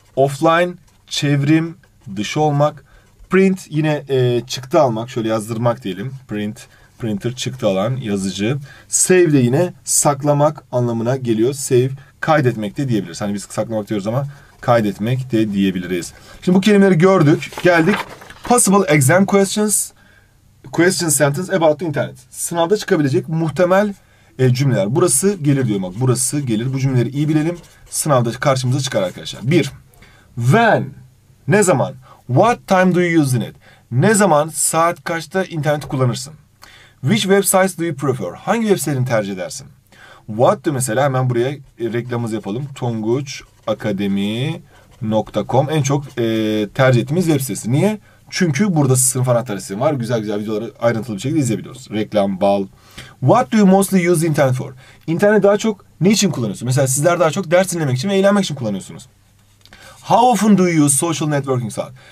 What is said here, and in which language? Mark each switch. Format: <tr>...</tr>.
<tr>Offline, çevrim dışı olmak. Print yine çıktı almak, şöyle yazdırmak diyelim. Print, printer çıktı alan, yazıcı. Save de yine saklamak anlamına geliyor. Save, kaydetmek de diyebiliriz. Hani biz saklamak diyoruz ama kaydetmek de diyebiliriz. Şimdi bu kelimeleri gördük, geldik.</tr> <en>Possible exam questions, question sentence about the internet.</en> <tr>Sınavda çıkabilecek muhtemel cümleler. Burası gelir diyor bak, burası gelir. Bu cümleleri iyi bilelim. Sınavda karşımıza çıkar arkadaşlar. 1. When, ne zaman?</tr> <en>What time do you use the net?</en> <tr>Ne zaman, saat kaçta interneti kullanırsın?</tr> <en>Which websites do you prefer?</en> <tr>Hangi web sitelerini tercih edersin?</tr> <en>What do</en> <tr>mesela, hemen buraya reklamımızı yapalım. Tonguçakademi.com en çok tercih ettiğimiz web sitesi. Niye? Çünkü burada sınıf anahtarı sitesi var. Güzel güzel videoları ayrıntılı bir şekilde izleyebiliyoruz. Reklam, bal.</tr> <en>What do you mostly use the internet for?</en> <tr>İnterneti daha çok ne için kullanıyorsun? Mesela sizler daha çok ders dinlemek için ve eğlenmek için kullanıyorsunuz.</tr> <en>How often do you use social networking site?</en>